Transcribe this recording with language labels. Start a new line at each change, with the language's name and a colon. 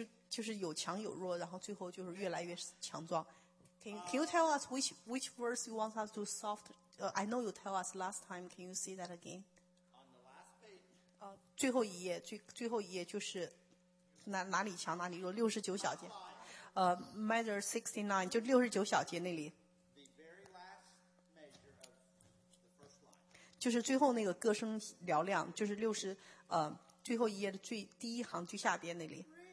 Chinese: 就是有强有弱，然后最后就是越来越强壮。
English: Can you tell us which verse you want us to soft? I know you tell us last time. Can you say that again? On the last page.
Chinese: 最后一页，最后一页就是哪里强哪里弱，六十九小节。
English: Measure 69，
Chinese: 就六十九小节那里。
English: The very last measure of the first line.
Chinese: 就是最后那个歌声嘹亮，就是六十最后一页的最第一行最下边那里。